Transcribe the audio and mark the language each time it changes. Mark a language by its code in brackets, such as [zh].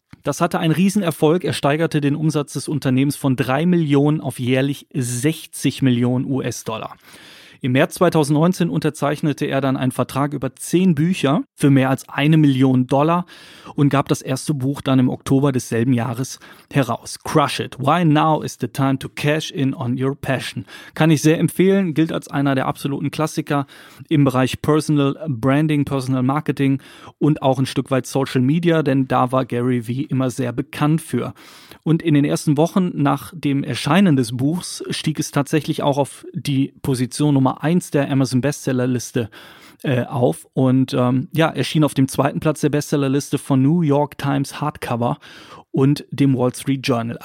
[de] Das hatte einen Riesenerfolg. Er steigerte den Umsatz des Unternehmens von 3 Millionen auf jährlich 60 Millionen US-Dollar. Im März 2019 unterzeichnete er dann einen Vertrag über 10 Bücher für mehr als 1 Million Dollar und gab das erste Buch dann im Oktober desselben Jahres heraus. [en] Crush It. Why now is the time to cash in on your passion? [de] Kann ich sehr empfehlen. Gilt als einer der absoluten Klassiker im Bereich Personal Branding, Personal Marketing und auch ein Stück weit Social Media, denn da war Gary Vee immer sehr bekannt für. Und in den ersten Wochen nach dem Erscheinen des Buchs stieg es tatsächlich auch auf die Position Nummer 1 der Amazon Bestsellerliste auf und erschien auf dem zweiten Platz der Bestsellerliste von New York Times Hardcover und dem Wall Street Journal.